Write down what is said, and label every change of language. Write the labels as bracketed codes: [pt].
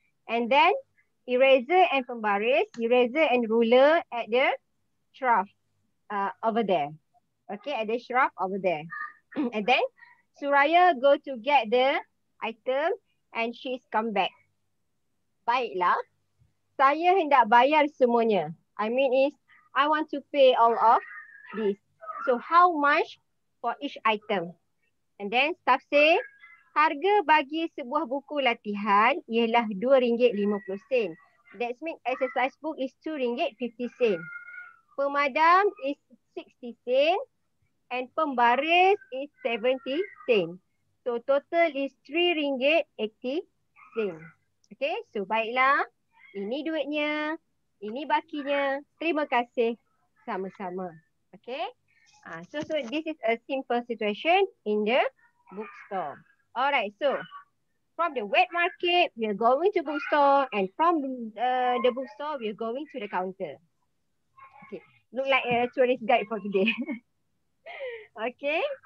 [en] And then eraser and pembaris, eraser and ruler at the shelf over there. Okay, at the shelf over there. And then Suraya go to get the item and she's come back. [ms] Baiklah. Saya hendak bayar semuanya. [en] I mean is I want to pay all of this. So how much for each item? And then staff say [ms] harga bagi sebuah buku latihan ialah RM2.50. [en] That means exercise book is RM2.50. Pemadam is RM60 and pembaris is RM70. So total is RM3.80. Okay, [ms] so baiklah. Ini duitnya, ini bakinya. Terima kasih sama-sama. Okay. [en] So this is a simple situation in the bookstore. Alright, so from the wet market, we are going to bookstore. And from the bookstore, we are going to the counter. Okay, look like a tourist guide for today. Okay.